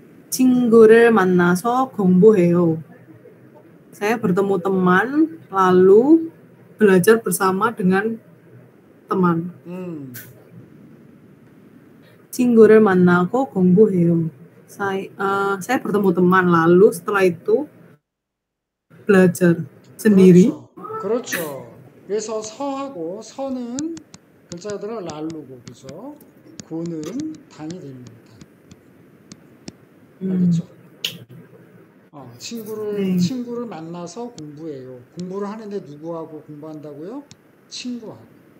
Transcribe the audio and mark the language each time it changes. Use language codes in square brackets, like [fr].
[ko] 친구를 만나서 공부해요. [id] Saya bertemu teman lalu belajar bersama dengan teman. [ko] 친구를 만나고 공부해요. [id] Saya bertemu teman lalu setelah itu belajar sendiri. [ko] 그렇죠. 그래서 서하고 서는 글자들은 랄루고 그죠? 고는 단이 됩니다. 알겠죠? 친구를 만나서 공부해요. 공부를 하는데 누구하고 공부한다고요? 친구하고.